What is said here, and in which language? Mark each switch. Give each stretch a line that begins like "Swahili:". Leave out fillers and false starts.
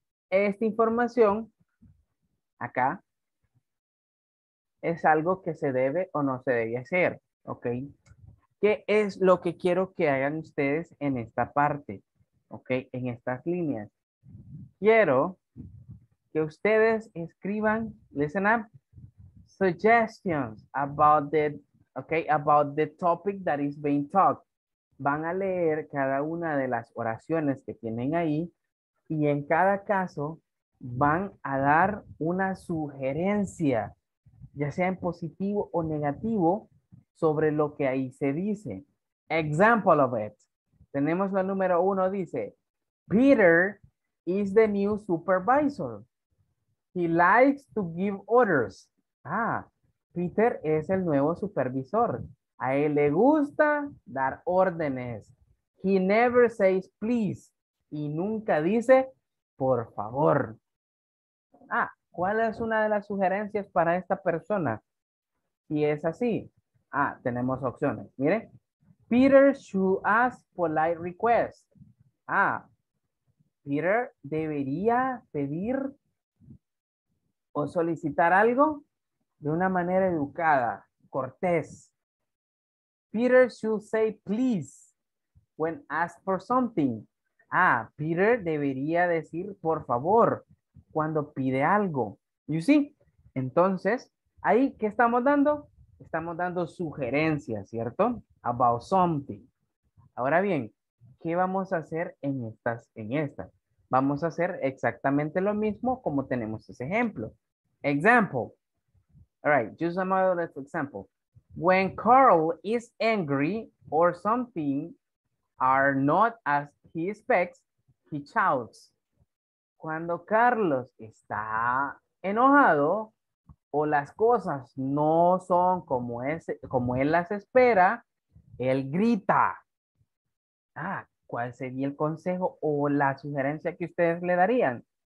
Spanish: Esta información, acá, es algo que se debe o no se debe hacer, okay? ¿Qué es lo que quiero que hagan ustedes en esta parte? Ok, en estas líneas. Quiero que ustedes escriban,
English: listen up, suggestions about the, okay, about the topic that is being talked.
Spanish: Van a leer cada una de las oraciones que tienen ahí y en cada caso van a dar una sugerencia, ya sea en positivo o negativo, sobre lo que ahí se dice.
English: Example of it.
Spanish: Tenemos la número uno, dice,
English: Peter is the new supervisor. He likes to give orders. Ah,
Spanish: Peter es el nuevo supervisor. A él le gusta dar órdenes.
English: He never says please.
Spanish: Y nunca dice, por favor. Ah, ¿cuál es una de las sugerencias para esta persona? Y es así. Ah, tenemos opciones. Mire.
English: Peter should ask polite requests.
Spanish: Ah, Peter debería pedir o solicitar algo de una manera educada, cortés.
English: Peter should say please when asked for something.
Spanish: Ah, Peter debería decir por favor cuando pide algo.
English: You see?
Spanish: Entonces, ahí, ¿qué estamos dando? Estamos dando sugerencias, ¿cierto?
English: About something.
Spanish: Ahora bien, ¿qué vamos a hacer en estas? Vamos a hacer exactamente lo mismo como tenemos ese ejemplo.
English: Example. All right, just a modest example. When Carl is angry or something are not as he expects, he shouts.
Spanish: Cuando Carlos está enojado o las cosas no son como, como él las espera, él grita. Ah, ¿cuál sería el consejo o la sugerencia que ustedes le darían?